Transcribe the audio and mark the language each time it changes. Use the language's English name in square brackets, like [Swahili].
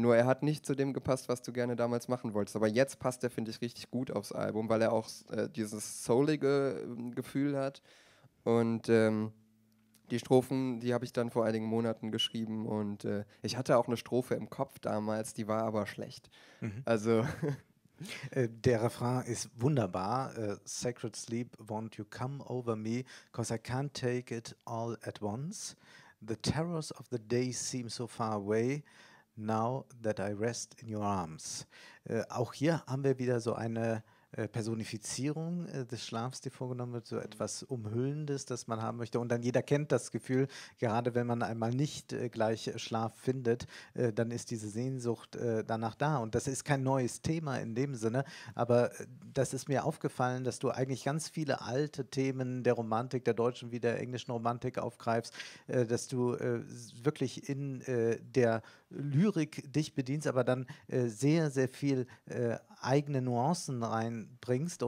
[German] Nur er hat nicht zu dem gepasst, was du gerne damals machen wolltest. Aber jetzt passt er, finde ich, richtig gut aufs Album, weil er auch dieses soulige Gefühl hat. Und die Strophen, die habe ich dann vor einigen Monaten geschrieben und ich hatte auch eine Strophe im Kopf damals, die war aber schlecht. Mhm. Also Der Refrain ist wunderbar. [English] Sacred Sleep, won't you come over me, 'cause I can't take it all at once. The terrors of the day seem so far away, now that I rest in your arms. [German] Auch hier haben wir wieder so eine Personifizierung des Schlafs, die vorgenommen wird, so etwas Umhüllendes, das man haben möchte. Und dann jeder kennt das Gefühl, gerade wenn man einmal nicht gleich Schlaf findet, dann ist diese Sehnsucht danach da. Und das ist kein neues Thema in dem Sinne, aber das ist mir aufgefallen, dass du eigentlich ganz viele alte Themen der Romantik, der deutschen wie der englischen Romantik aufgreifst, dass du wirklich in der Lyrik dich bedienst, aber dann sehr, sehr viel eigene Nuancen reinbringst.